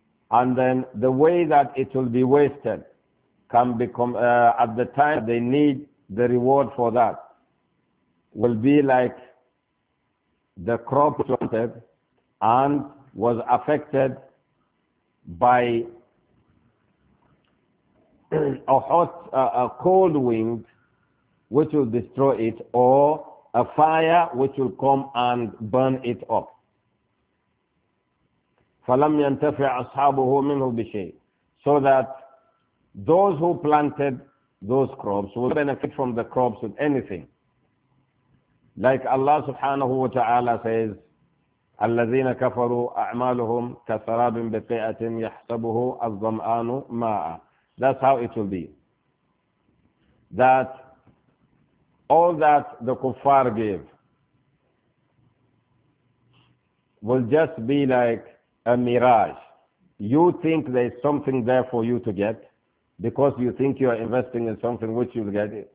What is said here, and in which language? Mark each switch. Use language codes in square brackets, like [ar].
[en] And then the way that it will be wasted can become, at the time they need the reward for that, will be like the crop planted and was affected by a hot, a cold wind which will destroy it, or a fire which will come and burn it up. [ar] فَلَمْ يَنْتَفِعْ أَصْحَابُهُ مِنْهُ بِشَيْءٍ. [en] So that those who planted those crops will benefit from the crops with anything. Like Allah subhanahu wa ta'ala says, [ar] الَّذِينَ كَفَرُوا أَعْمَالُهُمْ كَسَرَابٍ بِقِيئَةٍ يَحْسَبُهُ الظَّمْآنُ مَاءً. [en] That's how it will be. That all that the kuffar gave will just be like a mirage. You think there's something there for you to get because you think you are investing in something which you'll get.